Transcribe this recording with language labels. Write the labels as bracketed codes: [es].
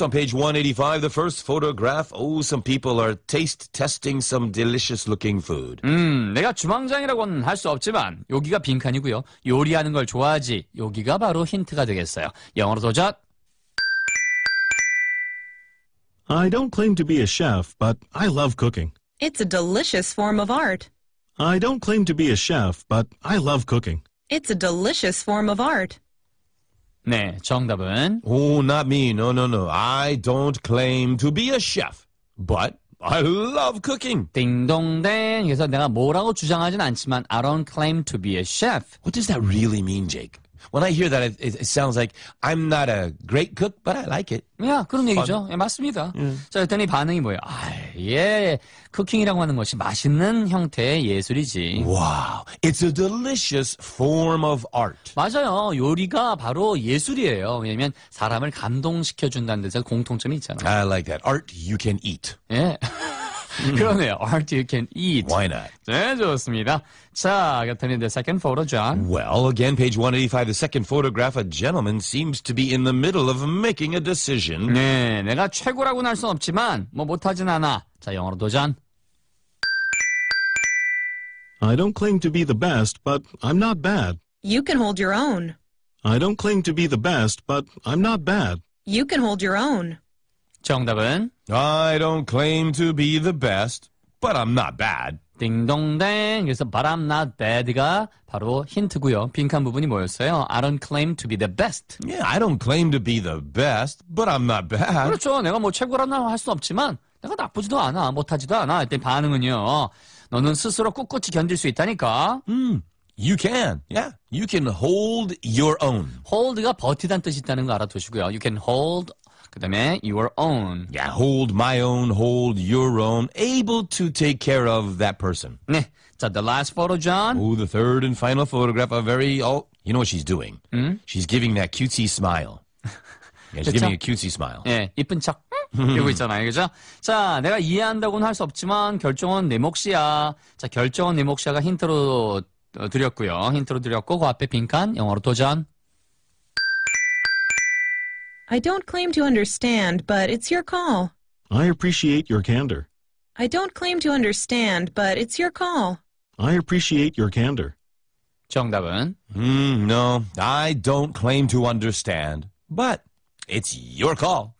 [en] On page 185, the first photograph, some people are taste testing some delicious looking food. [ko] 내가 주방장이라고는 할 수 없지만 여기가 빈칸이고요. 요리하는 걸 좋아하지. 여기가 바로 힌트가 되겠어요. 영어로 도전. [en] I don't claim to be a chef, but I love cooking. It's a delicious form of art. I don't claim to be a chef, but I love cooking. It's a delicious form of art. [ko] 네, 정답은? [en] Not me. No. I don't claim to be a chef, but I love cooking. [ko] 딩동댕. 그래서 내가 뭐라고 주장하진 않지만 [en] I don't claim to be a chef. What does that really mean, Jake? When I hear that, it sounds like I'm not a great cook, but I like it. [ko] 야, 그런 얘기죠. 예, 맞습니다. 자, 그랬더니 반응이 뭐예요? 예, 쿠킹이라고 하는 것이 맛있는 형태의 예술이지. [en] Wow, it's a delicious form of art. [ko] 맞아요. 요리가 바로 예술이에요. 왜냐면 사람을 감동시켜준다는 데서 공통점이 있잖아요. [en] I like that. Art you can eat. [ko] 예. 그러네요. [en] Art you can eat. Why not? [ko] 네, 좋습니다. 자, 그렇다면 [en] the second photo, [ko] John. [en] Well, again, page 185, the second photograph, a gentleman seems to be in the middle of making a decision. [ko] 네, 내가 최고라고는 할 순 없지만, 뭐 못하진 않아. 자, 영어로 도전. [en] I don't claim to be the best, but I'm not bad. You can hold your own. I don't claim to be the best, but I'm not bad. You can hold your own. [ko] 정답은? [en] I don't claim to be the best, but I'm not bad. [ko] 딩동댕. 그래서 [en] but I'm not bad [ko] 가 바로 힌트고요. 빈칸 부분이 뭐였어요? [en] I don't claim to be the best. Yeah, I don't claim to be the best, but I'm not bad. [ko] 그렇죠. 내가 뭐 최고라는 할 수 없지만 내가 나쁘지도 않아, 못하지도 않아. 이때 반응은요. 너는 스스로 꿋꿋이 견딜 수 있다니까. [en] You can. Yeah. You can hold your own. [ko] Hold가 버티다는 뜻이 있다는 거 알아두시고요. [en] You can hold, [ko] 그 다음에 [en] your own. Yeah. Hold my own. Hold your own. Able to take care of that person. [ko] 네. 자, [en] the last photo, John. Oh, the third and final photograph. A very, oh, you know what she's doing. Mm? She's giving that cutesy smile. Yeah, she's giving a cutesy smile. [ko] 네. 이쁜 척. 이러고 있잖아요, 그죠? 자, 내가 이해한다고는 할 수 없지만 결정은 내 몫이야. 자, 결정은 내 몫이야가 힌트로 드렸고요. 힌트로 드렸고 그 앞에 빈칸 영어로 도전. [en] I don't claim to understand, but it's your call. I appreciate your candor. I don't claim to understand, but it's your call. I appreciate your candor. [ko] 정답은? [en] No, I don't claim to understand, but it's your call.